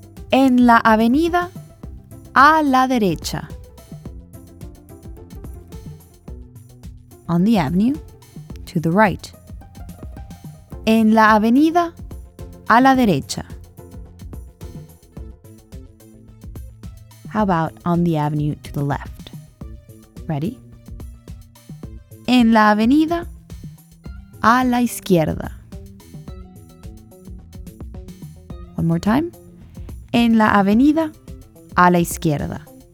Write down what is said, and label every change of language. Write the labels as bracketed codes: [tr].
[es] En la avenida, a la derecha. [en] On the avenue, to the right. [es] En la avenida, a la derecha. [en] How about on the avenue to the left? Ready? [es] En la avenida, a la izquierda. [en] One more time. [es] En la avenida, a la izquierda.